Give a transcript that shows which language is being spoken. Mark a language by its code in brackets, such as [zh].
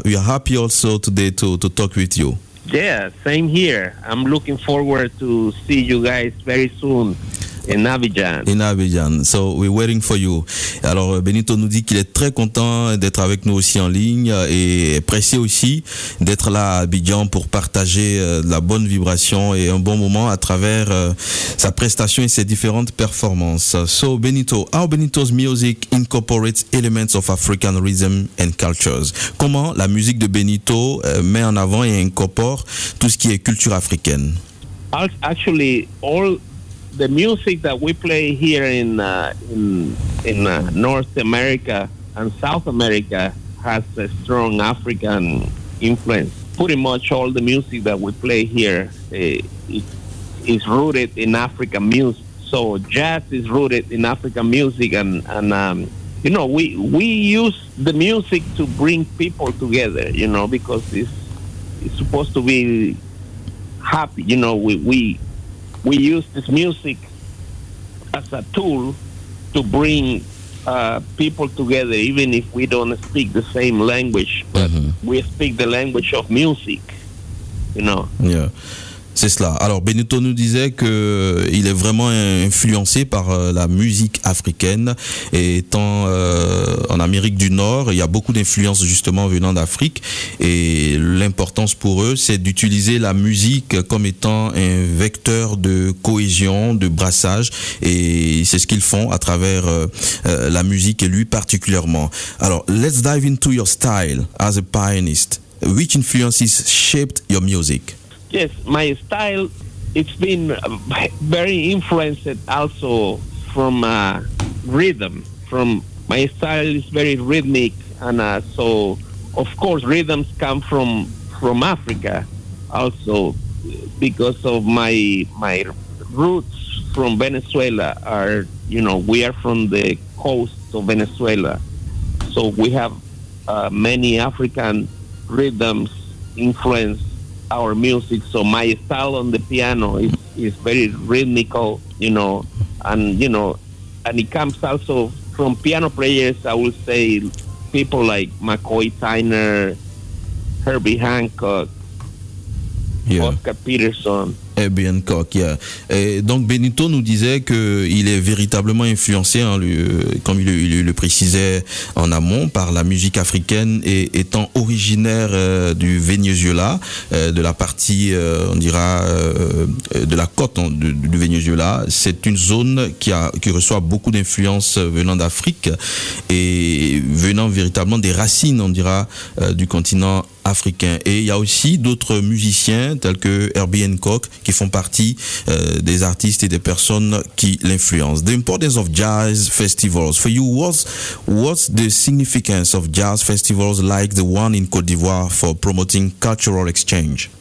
[en] We are happy also today to talk with you. Yeah, same here. I'm looking forward to see you guys very soon in Abidjan. In Abidjan. So we're waiting for you. [fr] Alors Benito nous dit qu'il est très content d'être avec nous aussi en ligne et pressé aussi d'être là à Abidjan pour partager la bonne vibration et un bon moment à travers sa prestation et ses différentes performances. [en] So Benito, how Benito's music incorporates elements of African rhythm and cultures? [fr] Comment la musique de Benito met en avant et incorpore tout ce qui est culture africaine? [en] Actually, all the music that we play here in North America and South America has a strong African influence. Pretty much all the music that we play here is rooted in African music. So jazz is rooted in African music, and you know, we use the music to bring people together, you know, because it's supposed to be happy, you know. We use this music as a tool to bring people together, even if we don't speak the same language, but we speak the language of music, you know. [fr] Yeah. C'est cela. Alors Benito nous disait que il est vraiment influencé par la musique africaine, et étant en Amérique du Nord, il y a beaucoup d'influences justement venant d'Afrique, et l'importance pour eux, c'est d'utiliser la musique comme étant un vecteur de cohésion, de brassage, et c'est ce qu'ils font à travers la musique, et lui particulièrement. [en] Alors, let's dive into your style as a pianist. Which influences shaped your music? Yes, my style, it's been very influenced also from rhythm. From my style is very rhythmic, and so of course rhythms come from Africa also, because of my roots from Venezuela are, you know, we are from the coast of Venezuela, so we have many African rhythms influenced our music. So my style on the piano is very rhythmical, you know, and it comes also from piano players. I would say people like McCoy Tyner, Herbie Hancock, yeah. Oscar Peterson. Herbie Hancock, yeah. [fr] Et donc Benito nous disait qu'il est véritablement influencé, hein, comme il le précisait en amont, par la musique africaine, et étant originaire du Venezuela, de la partie, on dira, de la côte, hein, du Venezuela, c'est une zone qui reçoit beaucoup d'influences venant d'Afrique et venant véritablement des racines, on dira, du continent africain. Et il y a aussi d'autres musiciens tels que Herbie Hancock qui font partie des artistes et des personnes qui l'influencent. [en] The importance of jazz festivals for you, what's the significance of jazz festivals like the one in Côte d'Ivoire for promoting cultural exchange?